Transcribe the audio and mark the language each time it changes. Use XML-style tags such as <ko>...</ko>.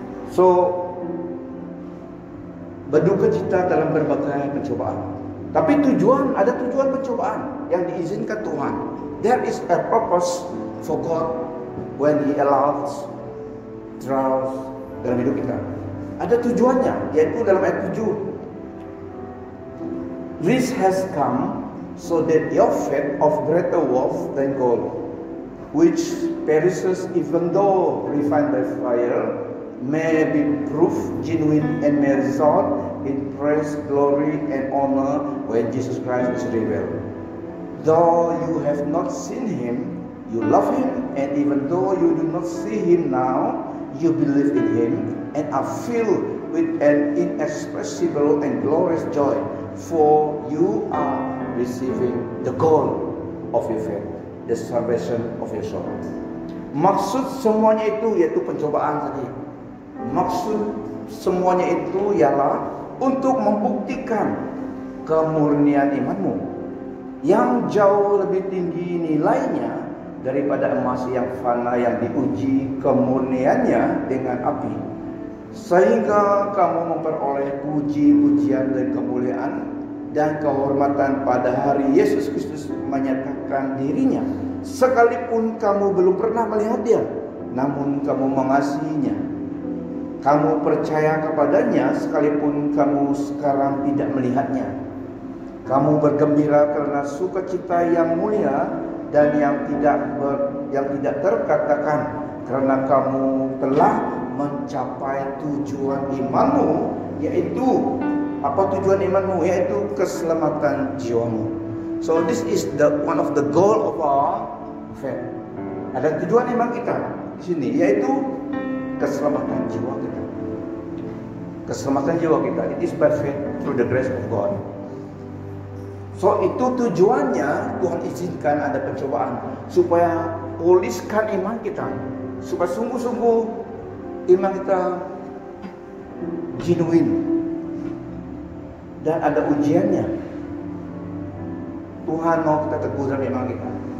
<id>So, berduka cita dalam berbagai pencobaan. Tapi tujuan, ada tujuan pencobaan yang diizinkan Tuhan.</id> <en>There is a purpose for God when He allows trials</en> <id>dalam hidup kita. Ada tujuannya, yaitu dalam ayat 7.</id> <en>This has come so that your faith of greater worth than gold, which perishes even though refined by fire, may be proved genuine and may result in praise, glory, and honor when Jesus Christ is revealed. Though you have not seen Him, you love Him, and even though you do not see Him now, you believe in Him and are filled with an inexpressible and glorious joy, for you are receiving the goal of your faith, the salvation of your soul.</en> <id>Maksud semuanya itu yaitu pencobaan tadi. Maksud semuanya itu ialah untuk membuktikan kemurnian imanmu yang jauh lebih tinggi nilainya daripada emas yang fana yang diuji kemurniannya dengan api, sehingga kamu memperoleh puji-pujian dan kemuliaan dan kehormatan pada hari Yesus Kristus menyatakan dirinya. Sekalipun kamu belum pernah melihat Dia, namun kamu mengasihinya. Kamu percaya kepadanya sekalipun kamu sekarang tidak melihatnya. Kamu bergembira karena sukacita yang mulia dan yang tidak terkatakan, karena kamu telah mencapai tujuan imanmu, yaitu apa tujuan imanmu? Yaitu keselamatan jiwamu.</id> <en>So this is the one of the goal of our faith.</en> <id>Ada tujuan iman kita di sini, yaitu keselamatan jiwa kita. Keselamatan jiwa kita.</id> <en>It is by faith through the grace of God.</en> <id>So itu tujuannya. Tuhan izinkan ada pencobaan supaya Puliskan iman kita supaya sungguh-sungguh iman kita genuine. Dan ada ujiannya. Tuhan mau kita teguh dalam iman kita.</id>